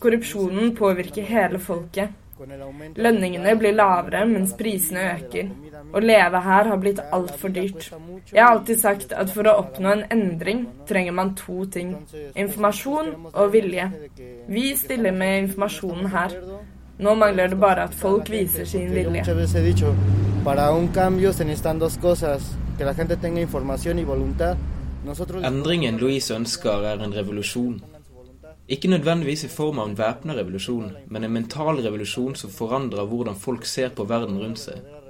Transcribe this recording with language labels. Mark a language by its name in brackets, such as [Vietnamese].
[Norwegian] Korrupsjonen påvirker hele folket. Lønningene blir lavere mens prisene øker. Å leve her har blitt alt for dyrt. Jeg har alltid sagt at for å oppnå en endring trenger man to ting. Informasjon og vilje. Vi stiller med informasjonen her. Nå mangler det bare at folk viser sin vilje. [Spanish] Para un cambio se necesitan dos cosas, que la gente tenga información y voluntad. [Norwegian] Endringen Luis ønsker er en revolusjon. Ikke nødvendigvis i form av en væpnet revolusjon, men en mental revolusjon som forandrer hvordan folk ser på verden rundt seg.